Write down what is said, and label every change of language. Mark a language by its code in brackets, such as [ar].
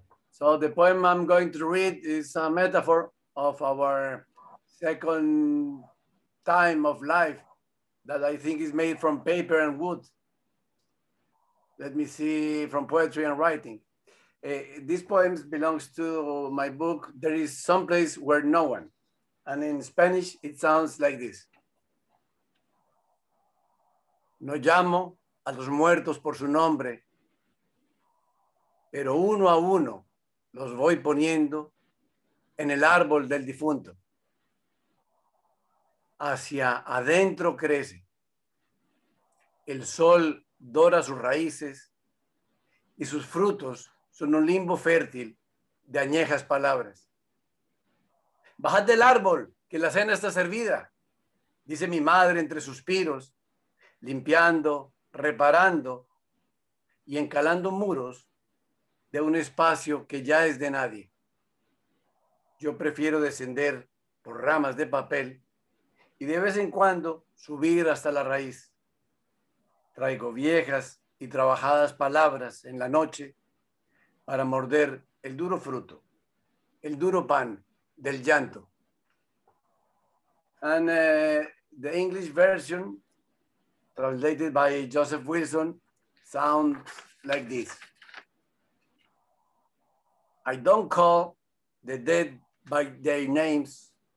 [en] So the poem I'm going to read is a metaphor of our second time of life that I think is made from paper and wood. Let me see, from poetry and writing. This poem belongs to my book, There Is Some Place Where No One. And in Spanish, it sounds like this. [es] No llamo a los muertos por su nombre, pero uno a uno los voy poniendo en el árbol del difunto. Hacia adentro crece. El sol dora sus raíces y sus frutos son un limbo fértil de añejas palabras. Bajad del árbol, que la cena está servida, dice mi madre entre suspiros, limpiando, reparando y encalando muros de un espacio que ya es de nadie. Yo prefiero descender por ramas de papel y de vez en cuando subir hasta la raíz. Traigo viejas y trabajadas palabras en la noche para morder el duro fruto, el duro pan del llanto. [en] And the English version, translated by Joseph Wilson, sounds like this. I don't call the dead by their names.